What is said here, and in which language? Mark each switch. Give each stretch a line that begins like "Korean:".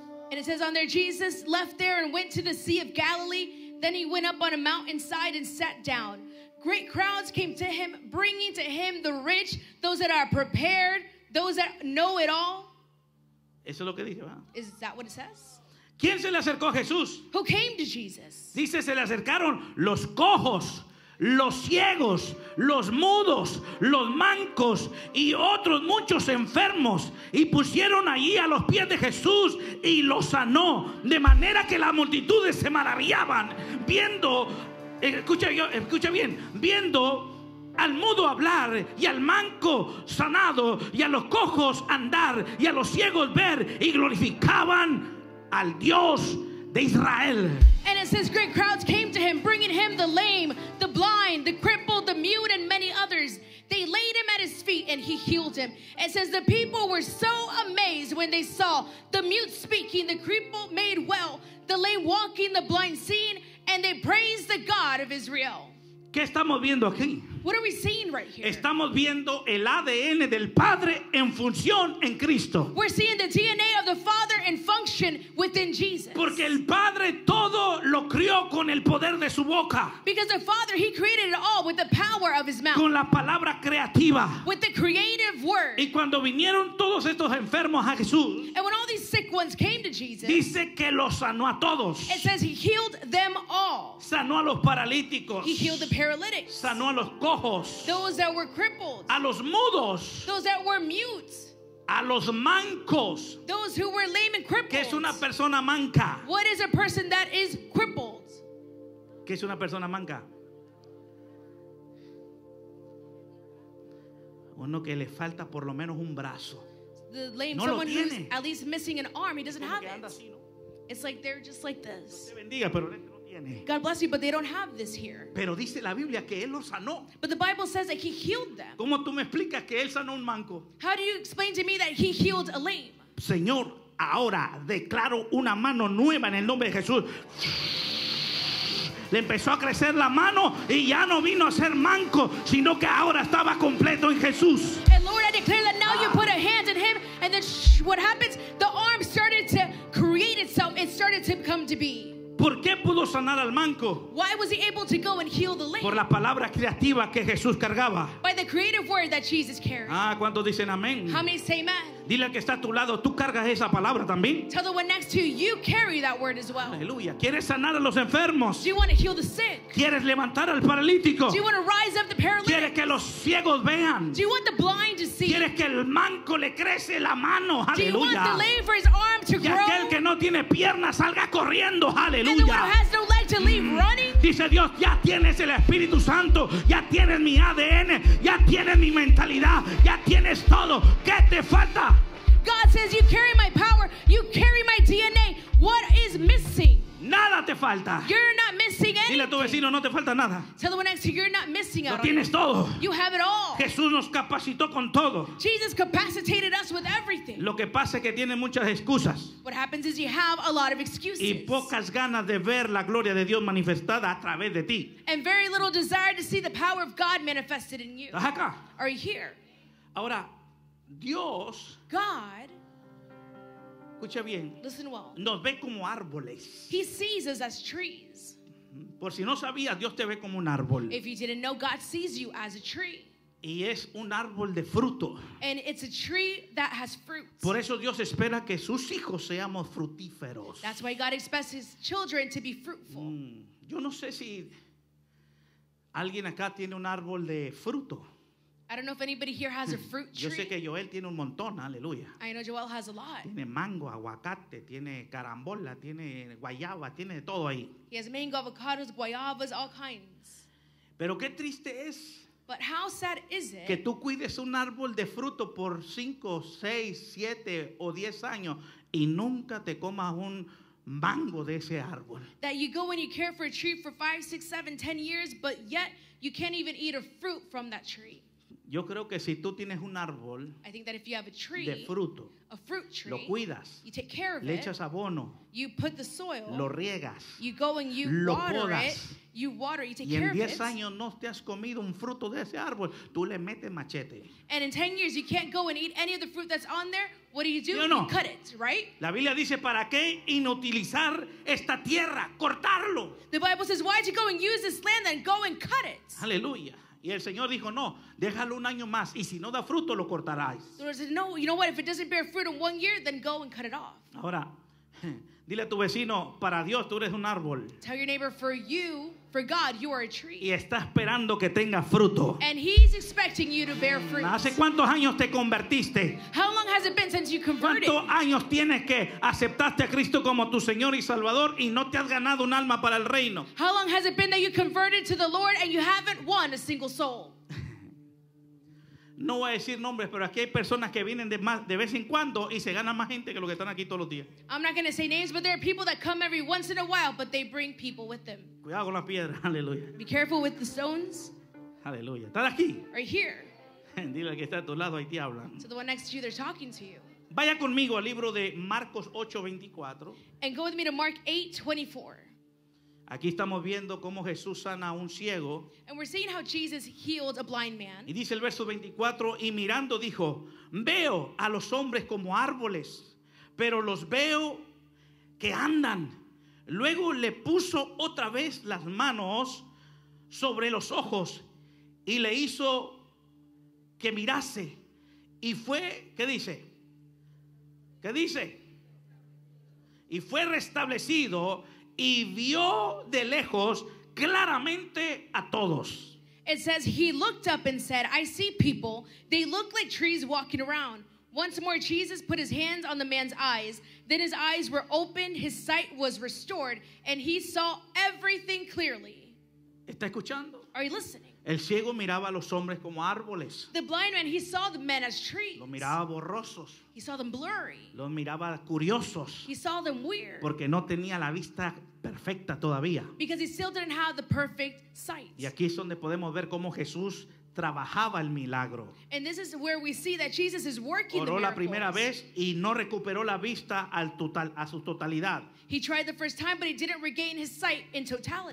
English: And it says on there, Jesus left there and went to the Sea of Galilee. Then he went up on a mountainside and sat down. Great crowds came to him, bringing to him the rich, those that are prepared, those that know it all.
Spanish: Eso es lo que dice, ¿verdad?
English: Is that what it says?
Spanish: ¿Quién se le acercó a Jesús?
English: Who came to Jesus?
Spanish: Dice, se le acercaron los cojos, los ciegos, los mudos, los mancos y otros muchos enfermos, y pusieron allí a los pies de Jesús y lo sanó, de manera que las multitudes se maravillaban viendo, escucha bien, viendo al mudo hablar y al manco sanado y a los cojos andar y a los ciegos ver, y glorificaban al Dios de Israel.
English: And it says great crowds came to him, bringing him the lame, the blind, the crippled, the mute, and many others. They laid him at his feet and he healed him. It says the people were so amazed when they saw the mute speaking, the crippled made well, the lame walking, the blind seeing, and they praised the God of Israel.
Spanish: ¿Qué estamos viendo aquí?
English: What are we seeing right here?
Spanish: Estamos viendo el ADN del Padre en función en Cristo.
English: We're seeing the DNA of the Father in function within Jesus.
Spanish: Porque el Padre todo lo crió con el poder de su boca.
English: Because the Father, he created it all with the power of his mouth.
Spanish: Con la palabra creativa.
English: With the creative word.
Spanish: Y cuando vinieron todos estos enfermos a Jesús,
English: and when all these sick ones came to Jesus,
Spanish: dice que los sanó a todos.
English: It says he healed them all.
Spanish: Sanó a los paralíticos.
English: He healed the paralytics.
Spanish: Sanó a los cojos,
English: those that were crippled,
Spanish: a los mudos,
English: those that were mute,
Spanish: a los mancos,
English: those who were lame and crippled.
Spanish: ¿Qué es una persona manca?
English: What is a person that is crippled?
Spanish: ¿Qué es una persona manca? Uno que le falta por lo menos un brazo.
English: The lame,
Spanish: no,
English: someone
Spanish: lo tiene.
English: Who's at least missing an arm, he doesn't have it.
Spanish: Así, ¿no?
English: It's like they're just like this.
Spanish: Dios te bendiga, pero
English: God bless you, but they don't have this here.
Spanish: Pero dice la Biblia que él lo sanó.
English: But the Bible says that he healed them.
Spanish: ¿Cómo tú me explicas que él sanó un manco?
English: How do you explain to me that he healed a lame?
Spanish: Señor, ahora declaro una mano nueva en el nombre de Jesús. Le empezó a crecer la mano y ya no vino a ser manco, sino que ahora estaba completo en Jesús.
English: And Lord, I declare that now you put a hand in him, and then what happens? The arm started to create itself. It started to come to be.
Spanish: ¿Por qué pudo sanar al manco?
English: Why was he able to go and heal the lame?
Spanish: Por la palabra creativa que Jesús cargaba.
English: By the creative word that Jesus carried.
Spanish: Ah, ¿cuántos dicen amén?
English: How many say amen?
Spanish: Dile al que está a tu lado, tú cargas esa palabra también.
English: Tell the one next to you, you carry that word as well.
Spanish: Aleluya. ¿Quieres sanar a los enfermos?
English: Do you want to heal the sick?
Spanish: ¿Quieres levantar al paralítico?
English: Do you want to rise up the paralytic?
Spanish: ¿Quieres que los ciegos vean?
English: Do you want the blind to see?
Spanish: ¿Quieres que el manco le crece la mano? Aleluya.
English: Do you want the lame for his arm to grow?
Spanish: Y aquel que no tiene piernas salga corriendo. Aleluya.
English: And the one who has no leg to leave running?
Spanish: Dice Dios, ya tienes el Espíritu Santo, ya tienes mi ADN, ya tienes mi mentalidad, ya tienes todo. ¿Qué te falta?
English: God says, you carry my power, you carry my DNA. What is missing?
Spanish: Nada te falta.
English: You're not missing anything.
Spanish: Dile a tu vecino, no te falta nada.
English: Tell the one next to you, you're not missing out.
Spanish: Lo tienes todo.
English: You have it all.
Spanish: Jesús nos capacitó con todo.
English: Jesus capacitated us with everything.
Spanish: Lo que pasa es que tiene muchas excusas.
English: What happens is you have a lot of excuses.
Spanish: Y pocas ganas de ver la gloria de Dios manifestada a través de ti.
English: And very little desire to see the power of God manifested in you.
Spanish: ¿Estás acá?
English: Are you here?
Spanish: Ahora, Dios,
English: God,
Spanish: escucha bien.
English: Listen well.
Spanish: Nos ve como árboles.
English: He sees us as trees.
Spanish: Por si no sabías, Dios te ve como un árbol.
English: If you didn't know, God sees you as a tree.
Spanish: Y es un árbol de fruto.
English: And it's a tree that has fruits.
Spanish: Por eso Dios espera que sus hijos seamos frutíferos.
English: That's why God expects his children to be fruitful.
Spanish: Yo no sé si alguien acá tiene un árbol de fruto.
English: I don't know if anybody here has a fruit tree.
Spanish: Yo sé que Joel tiene un montón, aleluya.
English: I know Joel has a lot.
Spanish: Tiene mango, aguacate, tiene carambola, tiene guayaba, tiene todo ahí.
English: He has mango, avocados, guayabas, all kinds.
Spanish: Pero qué triste es.
English: But how sad is it?
Spanish: Que tú cuides un árbol de fruto por 5, 6, 7 o 10 años y nunca te comas un mango de ese árbol.
English: That you go and you care for a tree for 5, 6, 7, 10 years, but yet you can't even eat a fruit from that tree.
Spanish: Yo creo que si tú tienes un árbol
English: tree,
Spanish: de fruto,
English: a fruit tree,
Spanish: lo cuidas,
English: you take care of
Spanish: le echas abono,
English: you put the soil,
Spanish: lo riegas,
English: you go and you
Spanish: lo
English: water
Spanish: podas,
English: it, you water, you take
Spanish: y en 10 años no te has comido un fruto de ese árbol, tú le metes machete.
English: And in 10 years you can't go and eat any of the fruit that's on there, what do?
Spanish: ¿Sí no?
English: You cut it, right?
Spanish: La Biblia dice, ¿para qué inutilizar esta tierra? Cortarlo.
English: The Bible says, why to go and use this land and go and cut it?
Spanish: Aleluya. Y el Señor dijo, no, déjalo un año más y si no da fruto lo cortarás.
English: The Lord said, no, you know what, if it doesn't bear fruit in 1 year, then go and cut it off.
Spanish: Ahora, dile a tu vecino, para Dios tú eres un árbol.
English: Tell your neighbor, for you, for God, you are a tree.
Spanish: Y está esperando que tenga fruto.
English: And he's expecting you to bear fruit.
Spanish: ¿Hace cuántos años te convertiste?
English: How long has it been since you converted?
Spanish: ¿Cuántos años tienes que aceptaste a Cristo como tu Señor y Salvador y no te has ganado un alma para el reino?
English: How long has it been that you converted to the Lord and you haven't won a single soul?
Spanish: No voy a decir nombres, pero aquí hay personas que vienen de vez en cuando y se gana más gente que los que están aquí todos los días.
English: I'm not going to say names, but there are people that come every once in a while, but they bring people with them.
Spanish: Cuidado con las piedras, aleluya.
English: Be careful with the stones.
Spanish: Aleluya. ¿Estás aquí?
English: Are you here?
Spanish: Dile al que está a tu lado, ahí te hablan.
English: So the one next to you, they're talking to you.
Spanish: Vaya conmigo al libro de Marcos 8:24.
English: And go with me to Mark 8:24.
Spanish: Aquí estamos viendo cómo Jesús sana a un ciego.
English: And we're seeing how Jesus healed a blind man.
Spanish: Y dice el verso 24, y mirando dijo, veo a los hombres como árboles, pero los veo que andan. Luego le puso otra vez las manos sobre los ojos y le hizo que mirase. Y fue, ¿qué dice? ¿Qué dice? Y fue restablecido y vio de lejos claramente a todos.
English: It says he looked up and said, I see people, they look like trees walking around. Once more Jesus put his hands on the man's eyes, then his eyes were opened, his sight was restored, and he saw everything clearly.
Spanish: ¿Está escuchando?
English: Are you listening?
Spanish: El ciego miraba a los hombres como árboles.
English: The blind man, he saw the men as trees.
Spanish: Los miraba borrosos.
English: He saw them blurry.
Spanish: Los miraba curiosos.
English: He saw them weird.
Spanish: Porque no tenía la vista perfecta todavía.
English: Because he still didn't have the perfect sight.
Spanish: Y aquí es donde podemos ver cómo Jesús trabajaba el milagro.
English: And this is where we see that Jesus is working the
Spanish: Oró la primera vez y no recuperó la vista a su totalidad.
English: He tried the first time, but he didn't regain his sight in totality.